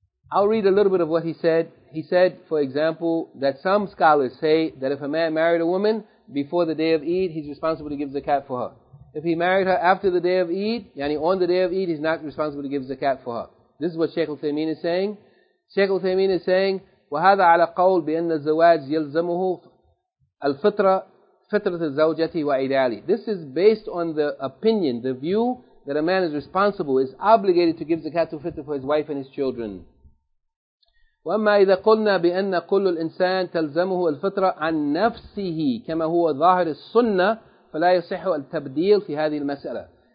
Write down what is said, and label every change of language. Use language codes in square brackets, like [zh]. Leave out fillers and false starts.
[en] I'll read a little bit of what he said. He said, for example, that some scholars say that if a man married a woman before the day of Eid, he's responsible to give zakat for her. If he married her after the day of Eid, yani on the day of Eid, he's not responsible to give zakat for her. This is what Shaykh Uthaymeen is saying. Shaykh Uthaymeen is saying, [ar] وَهَذَا عَلَى قَوْلْ بِأَنَّ الزَّوَاجْ يَلْزَمُهُ الْفِطْرَةِ فِطْرَةِ الزَّوْجَةِ وَإِدَالِ. [en] This is based on the opinion, the view that a man is responsible, is obligated to give zakat al-fitr for his wife and his children. [ar] وَأَمَّا إِذَا قُلْنَا بِأَنَّ قُلُّ الْإِنسَانِ تَلْزَمُهُ الْفِطْرَةِ عَنْ نَفْسِهِ كَمَا هُوَ ظَاهِرِ السُّنَّةِ فَلَا يَصِحُ الْتَبْدِيلِ فِي هَذِهِ الْمَسْأَلَةِ.